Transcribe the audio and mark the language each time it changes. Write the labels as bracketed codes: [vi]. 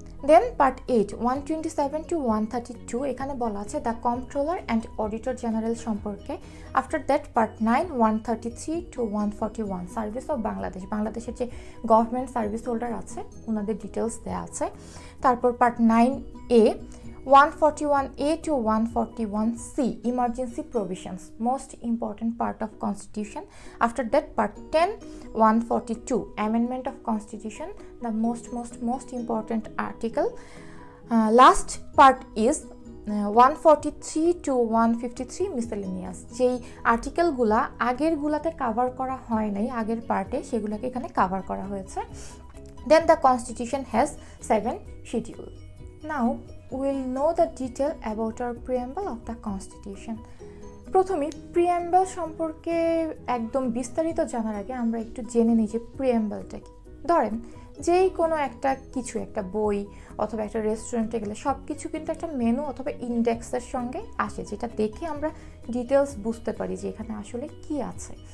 [bn] দেন part 8-127-132, এখানে বলা আছে the controller and auditor general সম্পর্কে। After that part 9-133-141, service of Bangladesh, বাংলাদেশের যে গভর্নমেন্ট সার্ভিস হোল্ডার আছে ওনাদের ডিটেলস দেওয়া আছে। তারপর part 9a, [en] 141A to 141C, emergency provisions, most important part of constitution. After that, part 10, 142, amendment of constitution, the most important article. Last part is 143 to 153 miscellaneous. [bn] যেই আর্টিকেলগুলো আগের গুলাতে cover করা হয় নাই, আগের পার্টে সেগুলোকে এখানে কভার করা হয়েছে. [en] Then the constitution has 7 schedule. Now we'll know the detail about our preamble of the constitution. [bn] প্রথমে প্রিএম্বল সম্পর্কে একদম বিস্তারিত জানার আগে আমরা একটু জেনে নিই যে প্রিএম্বলটা কি. ধরেন যেই কোনো একটা কিছু, একটা বই অথবা একটা রেস্টুরেন্টে গেলে সব কিছু কিন্তু একটা মেনু অথবা ইন্ডেক্সের সঙ্গে আসে, যেটা দেখে আমরা ডিটেলস বুঝতে পারি যে এখানে আসলে কী আছে.